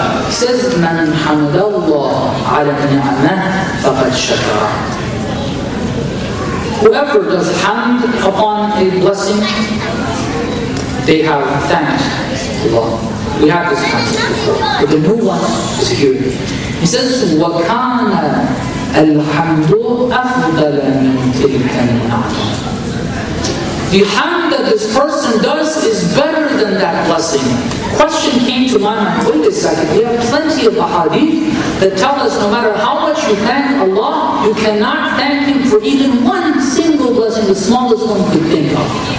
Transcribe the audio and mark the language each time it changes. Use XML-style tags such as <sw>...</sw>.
<ar>Says, man hamadallah ala ni'amah faqad shakara.</ar> <en>Whoever does hamd upon a blessing, they have thanked Allah. We have this concept. But the new one is here.</en> <ar>He says, وَكَانَ الْحَمْدُ أَفْضَلَ مِنْ تِلْكَ النَّعْمَةِ.</ar> <en>The hand that this person does is better than that blessing. Question came to my mind, wait a second, we have plenty of ahadith that tell us no matter how much you thank Allah, you cannot thank Him for even one single blessing, the smallest one you can think of.</en>